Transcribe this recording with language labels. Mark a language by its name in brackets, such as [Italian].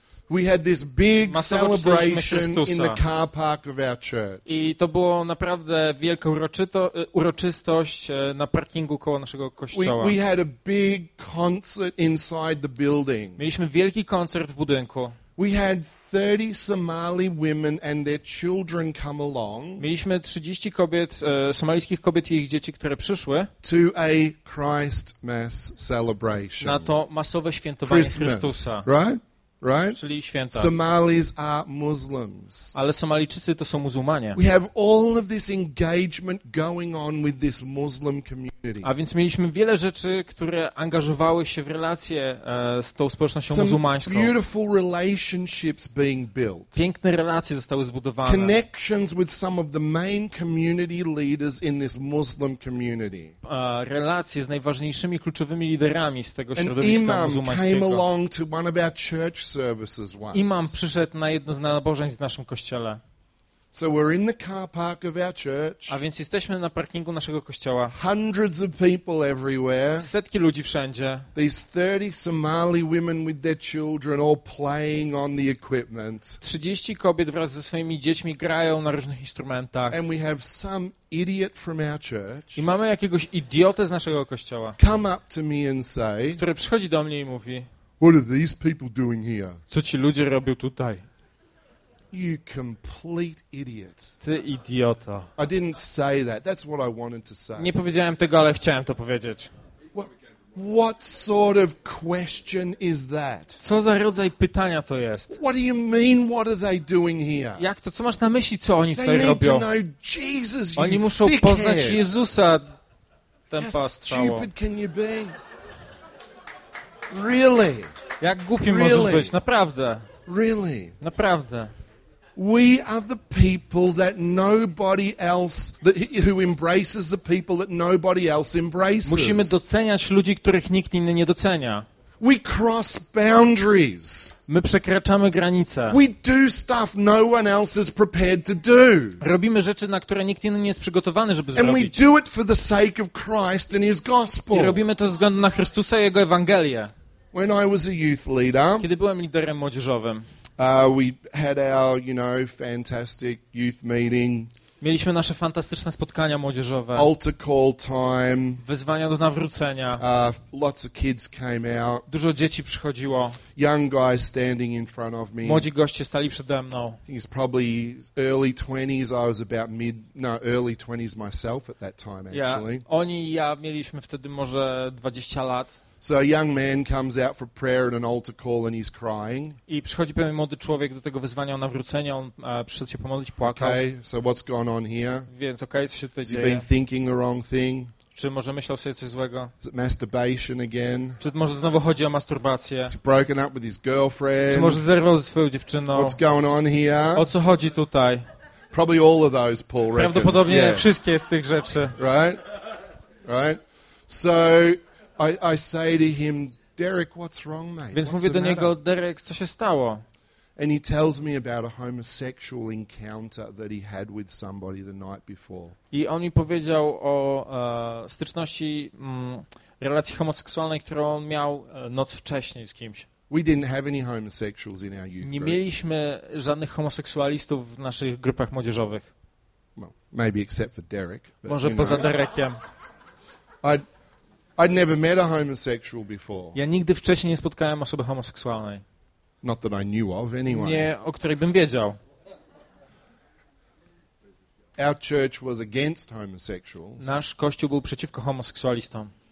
[English] We had this big celebration in the car park of our church. [Polish] I to było naprawdę wielka uroczystość na parkingu koło naszego kościoła. [English] We had a big concert inside the building. [Polish] Mieliśmy wielki koncert w budynku. [English] We had 30 Somali women and their children come along. [Polish] Mieliśmy 30 kobiet, somalijskich kobiet i ich dzieci, które przyszły. [English] To a Christmas celebration. [Polish] Na to masowe świętowanie Chrystusa. [English] Right? Right? [Polish] Czyli święta. [English] Somalis are Muslims. [Polish] Ale Somalijczycy to są muzułmanie. [English] We have all of this engagement going on with this Muslim community. [Polish] A więc mieliśmy wiele rzeczy, które angażowały się w relacje z tą społecznością [English] Some [Polish] muzułmańską. [English] Beautiful relationships being built. [Polish] Piękne relacje zostały zbudowane. [English] Connections with some of the main community leaders in this Muslim community. [Polish] Relacje z najważniejszymi kluczowymi liderami z tego środowiska muzułmańskiego. [English] An imam came along to one of our church services once. [Polish] Imam przyszedł na jedno z nabożeństw w naszym kościele. [English] So we're in the car park of our church. [Polish] A więc jesteśmy na parkingu naszego kościoła. [English] Hundreds of people everywhere. [Polish] Setki ludzi wszędzie. [English] These 30 Somali women with their children all playing on the equipment. [Polish] 30 kobiet wraz ze swoimi dziećmi grają na różnych instrumentach. [English] And we have some idiot from our church. [Polish] I mamy jakiegoś idiotę z naszego kościoła. [English] Come up to me and say. [Polish] Który przychodzi do mnie i mówi. [English] What are these people doing here? [Polish] Co ci ludzie robią tutaj? [English] You complete idiot. [Polish] Ty idioto. [English] I didn't say that. That's what I wanted to say. [Polish] Nie powiedziałem tego, ale chciałem to powiedzieć. [English] What sort of question is that? [Polish] Co za rodzaj pytania to jest? [English] What do you mean, what are they doing here? [Polish] Jak to, co masz na myśli, co oni [English] they [Polish] tutaj robią? [English] To know Jesus, you [Polish] oni muszą [English] thick [Polish] poznać [English] head. [Polish] Jezusa. Ten [English] How pastrzało. Stupid can you be? Really? [Polish] Jak głupi [English] really? [Polish] Możesz być, naprawdę. [English] Really? [Polish] Naprawdę. [English] We are the people that nobody else that who embraces the people that nobody else embraces. [Polish] Musimy doceniać ludzi, których nikt inny nie docenia. [English] We cross boundaries. [Polish] My przekraczamy granice. [English] We do stuff no one else is prepared to do. [Polish] Robimy rzeczy, na które nikt inny nie jest przygotowany, żeby [English] and [Polish] zrobić. [English] We do it for the sake of Christ and his gospel. [Polish] I robimy to ze względu na Chrystusa i jego Ewangelię. [English] When I was a youth leader, [Polish] kiedy byłem liderem młodzieżowym, [English] we had our, you know, fantastic youth meeting. [Polish] Mieliśmy nasze fantastyczne spotkania młodzieżowe. [English] Altar call time. [Polish] Wezwania do nawrócenia. [English] Lots of kids came out. [Polish] Dużo dzieci przychodziło. [English] Young guys standing in front of me. [Polish] Młodzi goście stali przede mną. [English] He's probably early 20s. I was about mid, no, early 20s myself at that time actually. [Polish] Ja, oni i ja mieliśmy wtedy może 20 lat. [English] So a young man comes out for prayer at an altar call and he's crying. [Polish] I przychodzi pewien młody człowiek do tego wezwania o nawrócenie, on przyszedł się pomodlić, płakał. [English] Okay, so what's going on here? [Polish] Więc okej, co się tutaj dzieje? [English] He's been thinking the wrong thing. [Polish] Czy może myślał sobie coś złego? [English] Is it masturbation again? [Polish] Czy może znowu chodzi o masturbację? [English] Is he broken up with his girlfriend? [Polish] Czy może zerwał ze swoją dziewczyną? [English] What's going on here? [Polish] O co chodzi tutaj? [English] Probably all of those, Paul reckons. [Polish] Prawdopodobnie [English] yeah. [Polish] Wszystkie z tych rzeczy. [English] Right? Right? So I say to him, Derek, what's wrong, mate? [Polish] Więc mówię do niego, Derek, co się stało? [English] And he tells me about a homosexual encounter that he had with somebody the night before. [Polish] I on mi powiedział o styczności relacji homoseksualnej, którą on miał noc wcześniej z kimś. [English] We didn't have any homosexuals in our youth group. [Polish] Nie mieliśmy żadnych homoseksualistów w naszych grupach młodzieżowych. [English] Well, maybe except for Derek. But, [Polish] może poza Derekiem. [English] I'd never met a homosexual before. [Polish] Ja nigdy wcześniej nie spotkałem osoby homoseksualnej. [English] Not that I knew of, anyway. [Polish] Nie, o której bym wiedział. [English] Our church was against homosexuals. [Polish] Nasz kościół był przeciwko homoseksualistom.